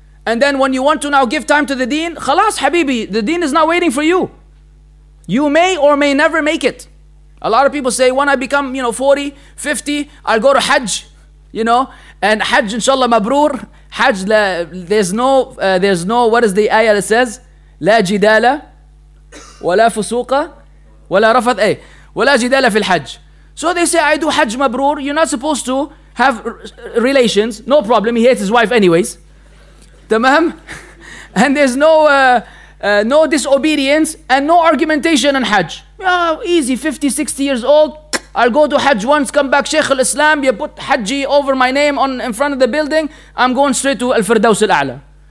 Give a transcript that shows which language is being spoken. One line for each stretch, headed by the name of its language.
English: And then when you want to now give time to the deen, khalas habibi, the deen is not waiting for you. You may or may never make it. A lot of people say, when I become, you know, 40, 50, I'll go to hajj. You know, and hajj inshallah mabrur. Hajj, there's no, what is the ayah that says?
Arabic: لا جدال ولا فسوق ولا رفث أي ولا جدال في الحج.
English: So they say, I do hajj mabrur. You're not supposed to have relations. No problem. He hates his wife anyways. Tamam. And there's no disobedience and no argumentation on hajj. Yeah, easy. 50, 60 years old. I'll go to hajj once, come back, Shaykh al-Islam, you put hajji over my name in front of the building, I'm going straight to Al-Firdaus al-A'la.